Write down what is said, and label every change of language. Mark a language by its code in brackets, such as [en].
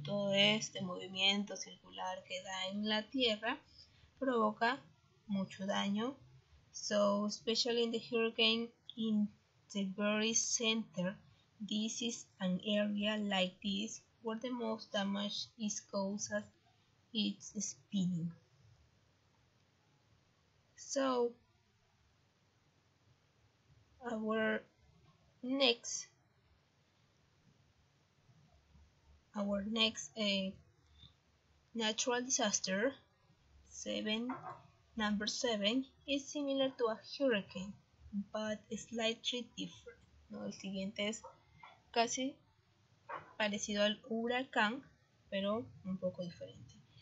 [es] Todo este movimiento circular que da en la tierra provoca mucho daño. [en] So, especially in the hurricane in the very center, this is an area like this where the most damage is caused as it's spinning. So, our next natural disaster, number seven, is similar to a hurricane, but slightly different. [es] No, el siguiente es casi parecido al huracán, pero un poco diferente.